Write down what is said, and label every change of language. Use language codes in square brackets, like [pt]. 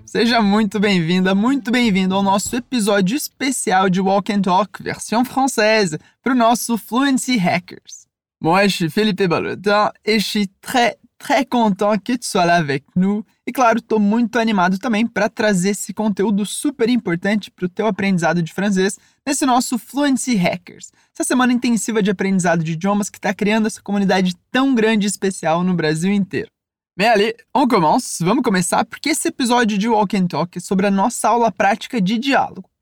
[pt] Seja muito bem-vinda, muito bem-vindo ao nosso episódio especial de Walk and Talk, versão française, para o nosso Fluency Hackers. [fr] Moi, je suis Philippe Balotin, e je suis très, très content que tu sois là avec nous. [pt] E claro, estou muito animado também para trazer esse conteúdo super importante para o teu aprendizado de francês nesse nosso Fluency Hackers, essa semana intensiva de aprendizado de idiomas que está criando essa comunidade tão grande e especial no Brasil inteiro. [fr] Mais allez, on commence, [pt] vamos começar, porque esse episódio de Walk and Talk é sobre a nossa aula prática de diálogo.